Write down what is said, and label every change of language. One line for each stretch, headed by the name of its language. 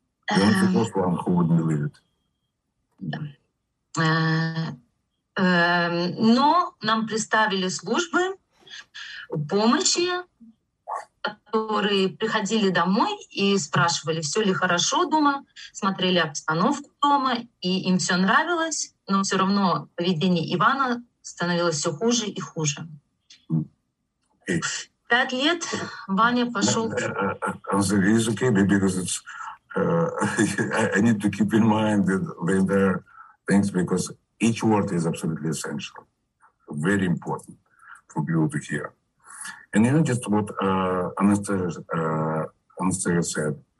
English: You're the first one who wouldn't believe it.
Russian: Но нам представили службы помощи, которые приходили домой и спрашивали, все ли хорошо дома, смотрели обстановку дома, и им все нравилось, но все равно поведение Ивана становилось все хуже и хуже.
English: Okay.
Russian: 5 лет Ваня пошел.
English: It's okay, because it's I need to keep in mind that there are things because each word is absolutely essential, very important for people to hear. And you know just what Anastasia said.